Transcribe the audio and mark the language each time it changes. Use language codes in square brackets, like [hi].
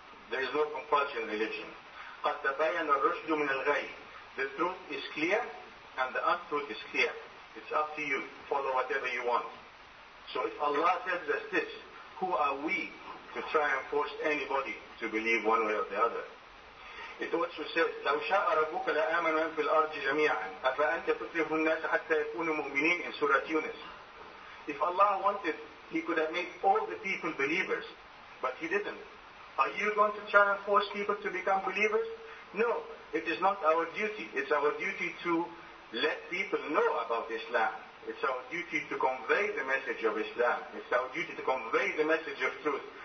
[en] There is no compulsion in religion. [ar] قَدْ تَبَيَّنَ الرُّشْدُ مِنَ الْغَيِّ. [en] The truth is clear and the untruth is clear. It's up to you. Follow whatever you want. So if Allah tells us this, who are we to try and force anybody to believe one way or the other? It also says, [ar] لَوْ شَاءَ رَبُّكَ لَآمَنُوا فِي الْأَرْضِ جَمِيعًا أَفَأَنْتَ تُكْرِهُ النَّاسَ حَتَّى يَكُونُوا مُؤْمِنِينَ [en] in Surah Yunus. If Allah wanted, He could have made all the people believers, but He didn't. Are you going to try and force people to become believers? No, it is not our duty. It's our duty to let people know about Islam. It's our duty to convey the message of Islam. It's our duty to convey the message of truth.